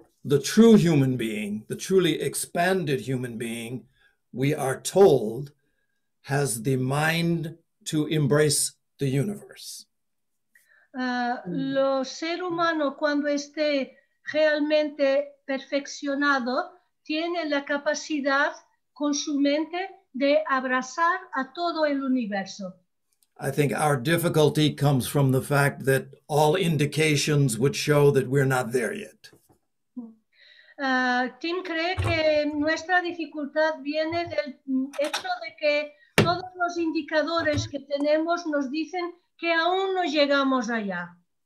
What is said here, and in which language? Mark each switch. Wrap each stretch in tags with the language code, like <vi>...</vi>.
<en>The true human being, the truly expanded human being, we are told, has the mind to embrace the universe.</en> <es>Lo ser humano, cuando esté realmente perfeccionado, tiene la capacidad con su mente de abrazar a todo el universo.</es> <en>I think our difficulty comes from the fact that all indications would show that we're not there yet.</en> <es>Tim cree que nuestra dificultad viene del hecho de que todos los indicadores que tenemos nos dicen que aún no llegamos allá.</es>